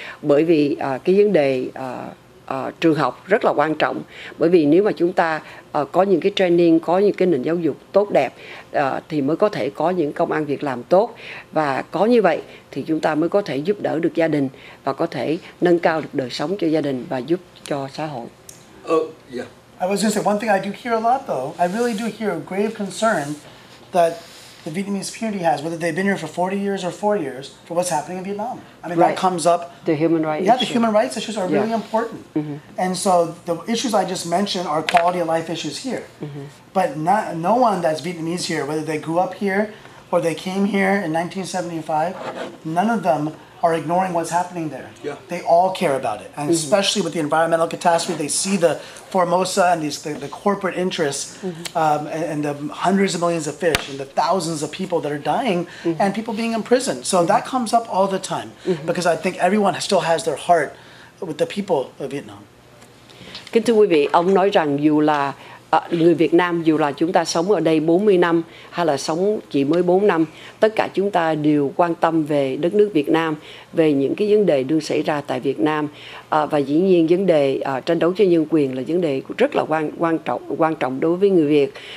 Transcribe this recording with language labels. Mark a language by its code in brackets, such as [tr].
[vi] Bởi vì cái vấn đề trường học rất là quan trọng, bởi vì nếu mà chúng ta có những cái training, có những cái nền giáo dục tốt đẹp thì mới có thể có những công ăn việc làm tốt, và có như vậy thì chúng ta mới có thể giúp đỡ được gia đình và có thể nâng cao được đời sống cho gia đình và giúp cho xã hội. [en] I was going to say one thing I do hear a lot though. I really do hear a grave concern that the Vietnamese community has, whether they've been here for 40 years or 4 years, for what's happening in Vietnam. I mean, right. That comes up. The human rights. Yeah, the human rights issues are really important. Mm-hmm. And so the issues I just mentioned are quality of life issues here. Mm-hmm. But not, no one that's Vietnamese here, whether they grew up here or they came here in 1975, none of them are ignoring what's happening there. Yeah. They all care about it. And mm-hmm. especially with the environmental catastrophe, they see the Formosa and these the corporate interests mm-hmm. And the hundreds of millions of fish and the thousands of people that are dying mm-hmm. and people being imprisoned. So mm-hmm. that comes up all the time mm-hmm. because I think everyone still has their heart with the people of Vietnam. [vi] Kính thưa quý vị, ông nói rằng dù là người Việt Nam, dù là chúng ta sống ở đây 40 năm hay là sống chỉ mới 4 năm, tất cả chúng ta đều quan tâm về đất nước Việt Nam, về những cái vấn đề đang xảy ra tại Việt Nam. Và dĩ nhiên vấn đề tranh đấu cho nhân quyền là vấn đề rất là quan trọng đối với người Việt.